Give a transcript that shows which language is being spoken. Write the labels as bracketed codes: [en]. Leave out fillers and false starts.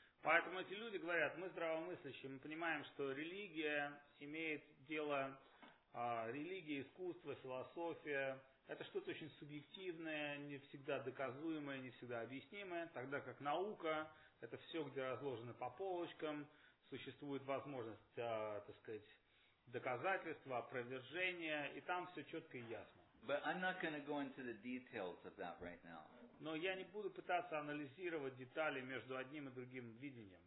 [ru] Поэтому эти люди говорят, мы здравомыслящие, мы понимаем, что религия имеет дело, религия, искусство, философия, это что-то очень субъективное, не всегда доказуемое, не всегда объяснимое, тогда как наука, это все, где разложено по полочкам, существует возможность, так сказать, доказательства, опровержения, и там все четко и ясно. [en] But I'm not going to go into the details of that right now. [ru] Но я не буду пытаться анализировать детали между одним и другим видением.